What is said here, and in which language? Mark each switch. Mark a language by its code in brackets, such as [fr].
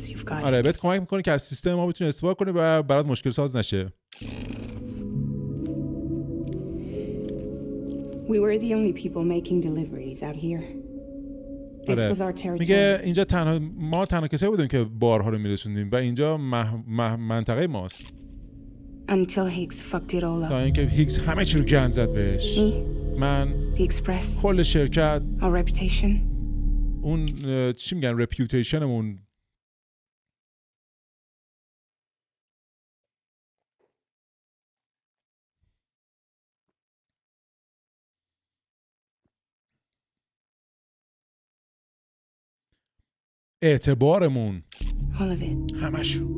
[fa] آره بهت کمک میکنه که از سیستم ما بتونی استفاده کنی و برات مشکل ساز نشه. [en] We were the only people making deliveries out here. آره. This was our territory. [fa] میگه اینجا تنها ما تنها کسایی بودیم که بارها رو میرسوندیم و اینجا منطقه ماست. [en] Until Higgs fucked it all up. [fa] تا اینکه هیگز همه چی رو گند زد بهش. من کل شرکت [en] our reputation. [fa] اون چی میگن reputationمون اعتبارمون همشو.